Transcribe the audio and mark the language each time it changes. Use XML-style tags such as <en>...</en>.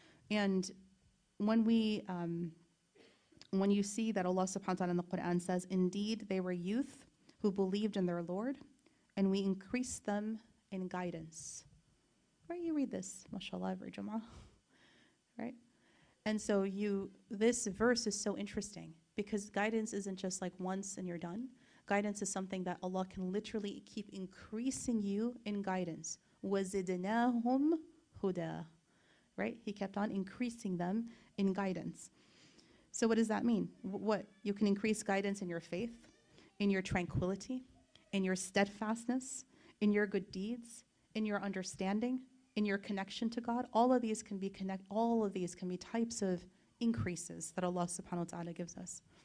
<en>And when we... when you see that Allah subhanahu wa ta'ala in the Quran says, indeed they were youth who believed in their Lord, and we increased them in guidance. Right, you read this, mashallah, every Jummah, right? And so this verse is so interesting because guidance isn't just like once and you're done. Guidance is something that Allah can literally keep increasing you in guidance.</en> <ar>وَزِدْنَاهُمْ هُدَى, right?</ar> <en>He kept on increasing them in guidance. So what does that mean? What? You can increase guidance in your faith, in your tranquility, in your steadfastness, in your good deeds, in your understanding, in your connection to God. All of these can be types of increases that Allah subhanahu wa ta'ala gives us.</en>